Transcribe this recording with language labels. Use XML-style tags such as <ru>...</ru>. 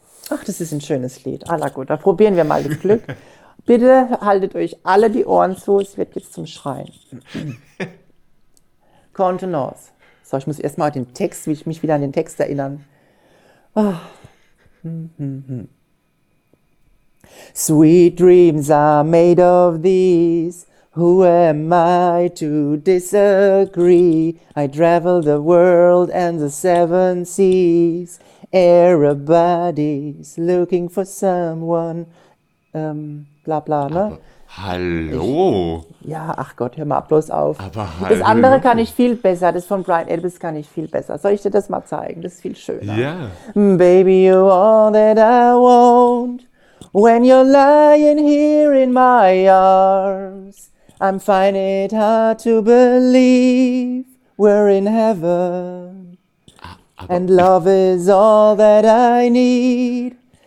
<de>Ach, das ist ein schönes Lied. Aller gut, da probieren wir mal das Glück. Bitte haltet euch alle die Ohren zu. Es wird jetzt zum Schreien. Contenance. So, ich muss erst mal den Text, wie ich mich wieder an den Text erinnern. Oh.</de> <en>Sweet dreams are made of these. Who am I to disagree? I travel the world and the seven seas. Everybody's looking for someone.</en> <de>Bla bla, ne? Aber hallo. Ja, ach Gott, hör mal bloß auf. Aber Das andere kann ich hallo. viel besser. Das von Bryan Adams kann ich viel besser. Soll ich dir das mal zeigen? Das ist viel schöner. Ja.</de> <en>Baby, you're all that I want. When you're lying here in my arms. I'm finding it hard to believe we're in heaven. And love is all that I need.</en>